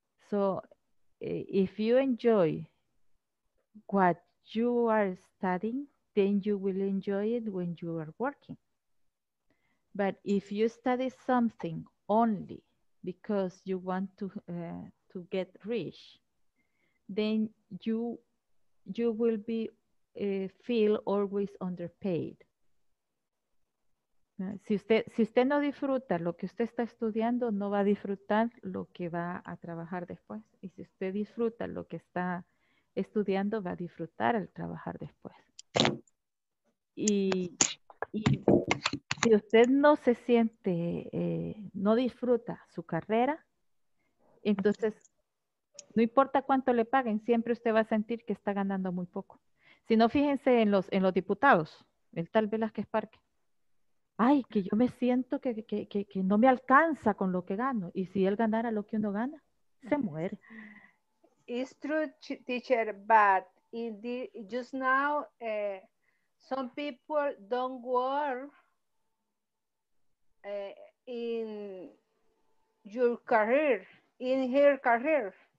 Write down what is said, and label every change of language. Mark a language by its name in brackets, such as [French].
[English] So if you enjoy what you are studying, then you will enjoy it when you are working. But if you study something only because you want to get rich, then you will be feel always underpaid. [Spanish] Si usted no disfruta lo que usted está estudiando, no va a disfrutar lo que va a trabajar después. Y si usted disfruta lo que está estudiando, va a disfrutar el trabajar después. Y si usted no se siente, no disfruta su carrera, entonces no importa cuánto le paguen, siempre usted va a sentir que está ganando muy poco. Si no, fíjense en los diputados, el tal Velázquez Parque. Ay, que yo me siento que no me alcanza con lo que gano. Y si él ganara lo que uno gana, se muere. [English] It's true, teacher, but in the, just now, some people don't work in your career, in her career.